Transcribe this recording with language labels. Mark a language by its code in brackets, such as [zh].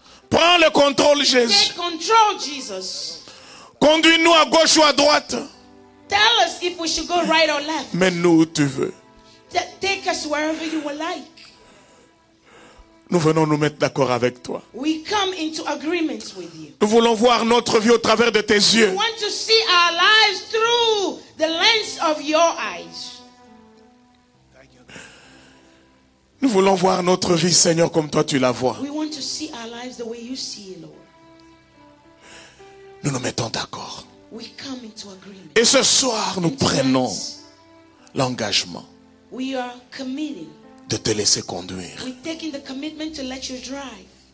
[fr] Prends le contrôle, Jésus. [en] Take control, Jesus. [fr] Conduis-nous à gauche ou à droite. [en] Tell us if we should go right or left. [fr] Mais nous où tu veux. [en] Take us wherever you would like. [fr] Nous venons nous mettre d'accord avec toi. [en] We come into agreement with you. [fr] Nous voulons voir notre vie au travers de tes yeux. [en] We want to see our lives through the lens of your eyes. [fr] Nous voulons voir notre vie, Seigneur, comme toi tu la vois. [en] We want to see our lives the way you see it, Lord. [fr] Nous nous mettons d'accord. [en] We come into agreement. [fr] Et ce soir, nous prenons l'engagement. [en] We are committing. [fr] De te laisser conduire. [en] We're taking the commitment to let you drive.